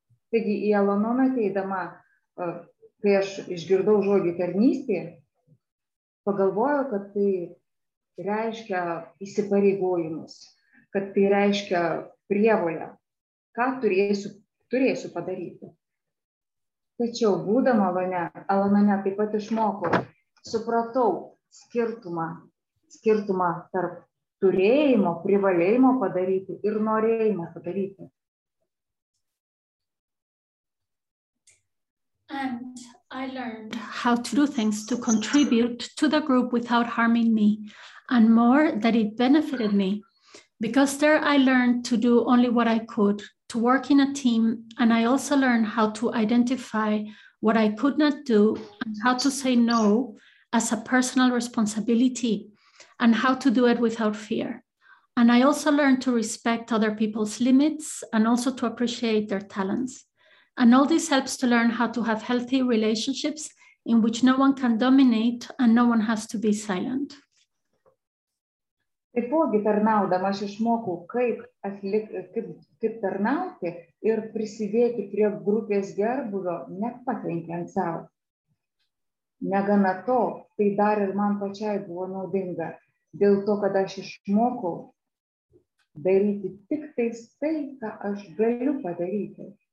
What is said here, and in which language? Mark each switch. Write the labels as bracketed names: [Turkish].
[Lithuanian] Taigi į Al-Anoną ateidama, kai aš išgirdau žodį tarnystė, pagalvojau, kad tai reiškia įsipareigojimus, kad tai reiškia prievolę, ką turėsiu padaryti. Tačiau būdama Al-Anone taip pat išmokau, supratau skirtumą tarp turėjimo, privalėjimo padaryti ir norėjimo padaryti. [English] And I learned how to do things to contribute to the group without harming me, and more, that it benefited me. Because there, I learned to do only what I could, to work in a team, and I also learned how to identify what I could not do, and how to say no as a personal responsibility, and how to do it without fear. And I also learned to respect other people's limits and also to appreciate their talents. And all this helps to learn how to have healthy relationships in which no one can dominate and no one has to be silent. [Lithuanian] Taipogi tarnaudama aš išmokau, kaip tarnauti ir prisidėti prie grupės gerbūvio, nepakenkiant savo. Negana to, tai dar ir man pačiai buvo naudinga, dėl to, kad aš išmokau daryti tik tai, ką aš galiu padaryti.